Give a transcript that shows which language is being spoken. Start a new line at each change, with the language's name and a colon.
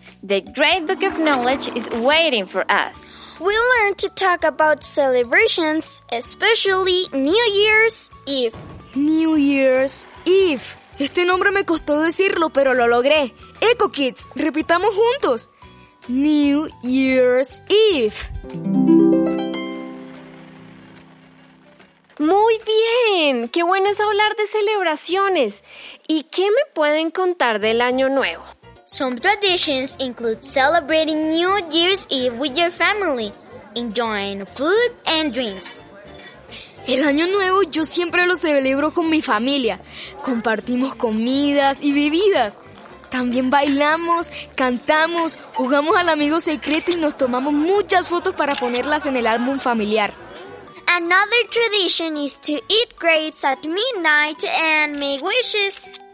English: The great book of knowledge is waiting for us. We learned to talk about celebrations, especially New Year's Eve. New Year's Eve.
Spanish: Este nombre me costó decirlo, pero lo logré. Echo Kids, repitamos juntos.
English: New Year's Eve.
Spanish: Muy bien. Qué bueno es hablar de celebraciones. ¿Y qué me pueden contar del año nuevo?
English: Some traditions include celebrating New Year's Eve with your family, enjoying food and drinks.
Spanish: El año nuevo yo siempre lo celebro con mi familia. Compartimos comidas y bebidas. También bailamos, cantamos, jugamos al amigo secreto y nos tomamos muchas fotos para ponerlas en el álbum familiar.
English: Another tradition is to eat grapes at midnight and make wishes.